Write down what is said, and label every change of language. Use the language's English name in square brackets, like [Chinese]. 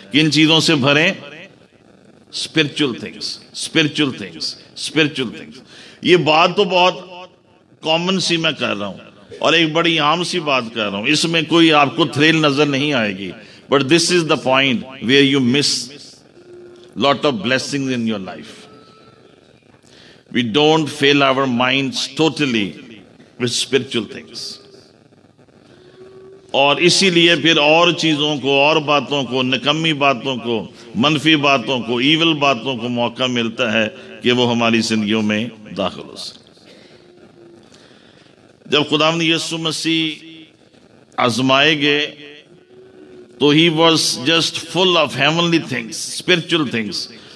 [Hindi] किन चीजों से भरें? [English] Spiritual things, spiritual things, spiritual things. [Hindi] ये बात तो बहुत कॉमन सी मैं कह रहा हूं और एक बड़ी आम सी बात कह रहा हूं, इसमें कोई आपको थ्रिल नजर नहीं आएगी, [English] But this is the point where you miss lot of blessings in your life. We don't fill our minds totally with spiritual things. [Hindi] और इसीलिए फिर और चीजों को, और बातों को, निकम्मी बातों को, मनफी बातों को, ईविल बातों को मौका मिलता है कि वो हमारी जिंदगियों में दाखिल हो सके। जब खुदावंद यीशु मसीह आजमाए गए तो [English] He was just full of heavenly things, spiritual things.